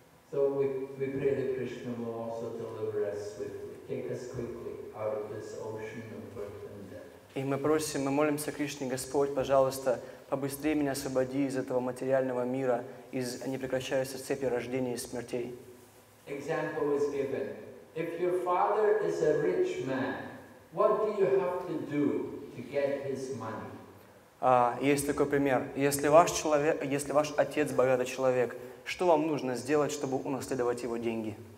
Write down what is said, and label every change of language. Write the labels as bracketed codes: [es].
[en] So we pray that Krishna will also deliver us swiftly, take us quickly out of this ocean of birth and death. [ru] И мы просим, мы молимся Кришне, Господь, пожалуйста, побыстрее меня освободи из этого материального мира, из непрекращающейся цепи рождения и смертей. [en] Example is given. If your father is a rich man, what do you have to do to get his money? [ru] Есть такой пример. Если ваш отец богатый человек, что вам нужно сделать, чтобы унаследовать его деньги?